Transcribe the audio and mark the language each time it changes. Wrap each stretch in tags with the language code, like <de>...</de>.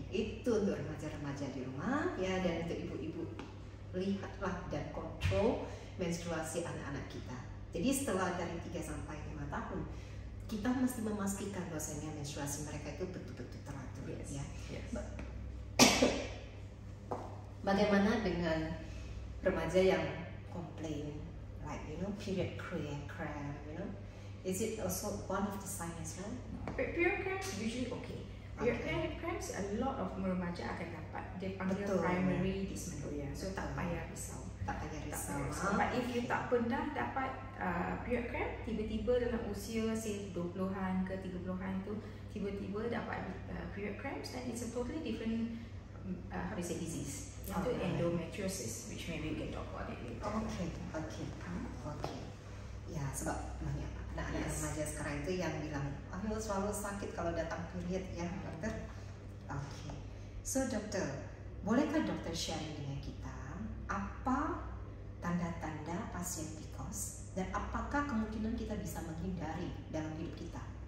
<ms>Itu untuk remaja-remaja di rumah ya dan untuk ibu-ibu lihatlah dan kontrol menstruasi anak-anak kita. Jadi setelah dari 3-5 tahun kita mesti memastikan bahwasanya menstruasi mereka itu betul-betul teratur.</ms> <en>Yes.</en> <ms>Ya.</ms> <en>Yes.</en> <id>Bagaimana dengan remaja yang komplain?</id> <en>Like you know, period cramp, you know, is it also one of the signs as well? Period cramps usually okay. Period cramps a lot of</en> <ms>remaja akan dapat. Dia panggil betul,</ms> <en>primary dysmenorrhea, so</en> <ms>tak payah risau. Tak payah risau.</ms> <en>But if you</en> <ms>tak pernah dapat</ms> <en>period cramp,</en> <ms>tiba-tiba dalam usia</ms> <en>say 20-an ke 30-an tu,</en> <ms>tiba-tiba dapat</ms> <en>period cramps, then it's a totally different disease. Itu okay. Endometriosis, which maybe we can talk about it later. Okay.</en> <id>Ya, sebab banyak anak-anak remaja sekarang itu yang bilang, aku selalu sakit kalau datang period, ya dokter? Okay. So dokter, bolehkah dokter share dengan kita apa tanda-tanda pasien PCOS dan apakah kemungkinan kita bisa menghindari dalam hidup kita?</id>